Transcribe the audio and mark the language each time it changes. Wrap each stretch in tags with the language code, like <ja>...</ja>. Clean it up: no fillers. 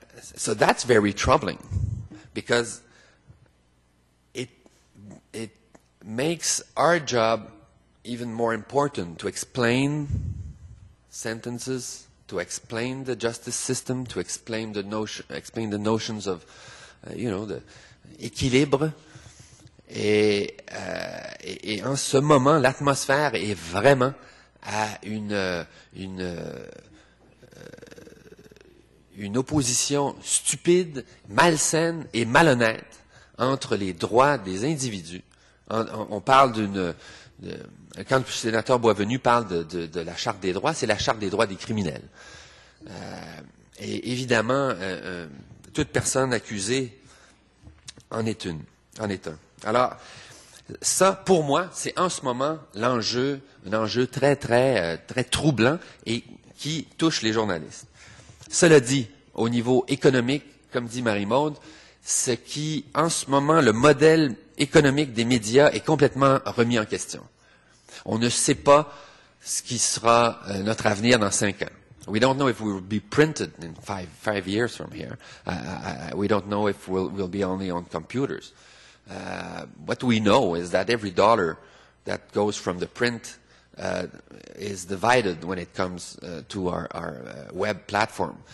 <en>So that's very troubling, because it makes our job even more important to explain sentences, to explain the justice system, to explain the notion, explain the notions of, you know, the équilibre.</en> <fr>Et en ce moment, l'atmosphère est vraiment à une opposition stupide, malsaine et malhonnête entre les droits des individus. On parle d'une... Quand le sénateur Boisvenu parle de la Charte des droits, c'est la Charte des droits des criminels. Et évidemment, toute personne accusée en est un. Alors, ça, pour moi, c'est en ce moment l'enjeu, un enjeu très, très, très troublant et qui touche les journalistes. Cela dit, au niveau économique, comme dit Marie-Maude, ce qui, en ce moment, le modèle économique des médias est complètement remis en question. On ne sait pas ce qui sera notre avenir dans 5 ans.</fr> <en>We don't know if we will be printed in five years from here. We don't know if we'll be only on computers. What we know is that every dollar that goes from the print is divided when it comes to our web platform.</en>